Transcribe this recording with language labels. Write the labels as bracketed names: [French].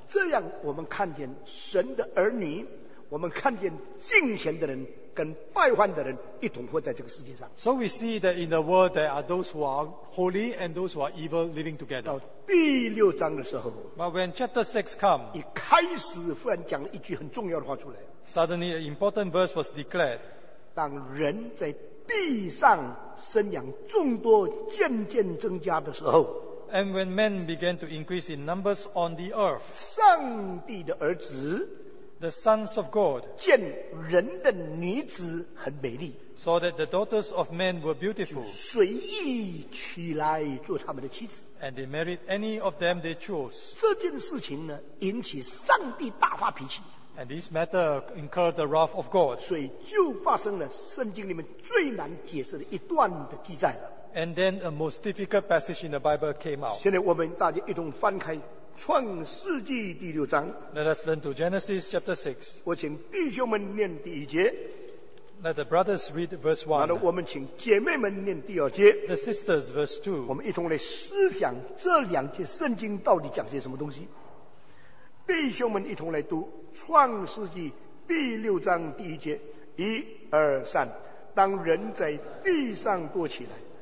[Chinese] 这样我们看见神的儿女，我们看见敬虔的人跟败坏的人一同活在这个世界上。 [English] So we see that in the world there are those who are holy and those who are evil living together. [Chinese] 到第六章的时候 [English] ，But when chapter 6 comes, [Chinese] 一开始忽然讲了一句很重要的话出来。 [English] Suddenly, an important verse was declared. [Chinese] 当人在地上生养众多，渐渐增加的时候 [English] ，And when men began to increase in numbers on the earth, [Chinese] 上帝的儿子。 [English] The sons of God [Chinese] 见人的女子很美丽 [English] saw that the daughters of men were beautiful [Chinese] 就随意娶来做他们的妻子 [English] and they married any of them they chose [Chinese] 这件事情呢引起上帝大发脾气 [English] and this matter incurred the wrath of God [Chinese] 所以就发生了圣经里面最难解释的一段的记载了 [English] and then a most difficult passage in the Bible came out [Chinese] 现在我们大家一同翻开创世纪第六章 [English] Let us turn to Genesis chapter 6 [Chinese] 我请弟兄们念第一节 [English] Let the brothers read verse 1 [Chinese] 然后我们请姐妹们念第二节 [English] The sisters verse 2 [Chinese] 我们一同来思想这两节圣经到底讲些什么东西弟兄们一同来读创世纪第六章第一节一二三当人在地上多起来